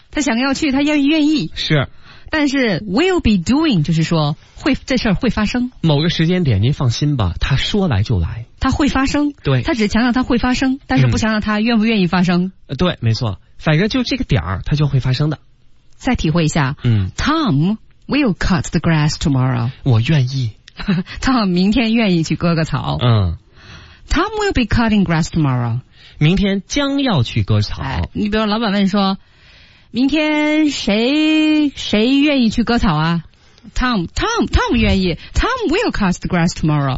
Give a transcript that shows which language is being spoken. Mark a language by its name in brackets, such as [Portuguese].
[Chinese] 他想要去，他愿意是。但是 [English] will be doing [Chinese] 就是说会，这事儿会发生，某个时间点您放心吧，他说来就来，他会发生。对，他只强调他会发生，但是不强调他愿不愿意发生。对，没错，反正就这个点儿他就会发生的。再体会一下， [English] Tom will cut the grass tomorrow， [Chinese] 我愿意。 Tom 明天愿意去割个草。 [English] Tom will be cutting grass tomorrow， [Chinese] 明天将要去割草。你比如老板问说，明天谁愿意去割草啊？ [English] Tom [Chinese] 愿意。 [English] Tom will cut the grass tomorrow，